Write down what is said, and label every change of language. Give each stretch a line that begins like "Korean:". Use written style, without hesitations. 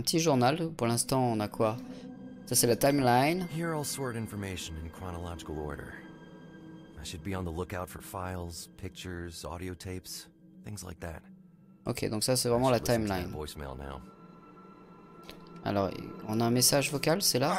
French: petit journal, pour l'instant on a quoi? Ça c'est la timeline.
English: Here I'll sort information in chronological order. I should be on the lookout for files, pictures, audio tapes, things like that.
French: Ok, donc ça c'est vraiment la timeline. Alors, on a un message vocal, c'est là?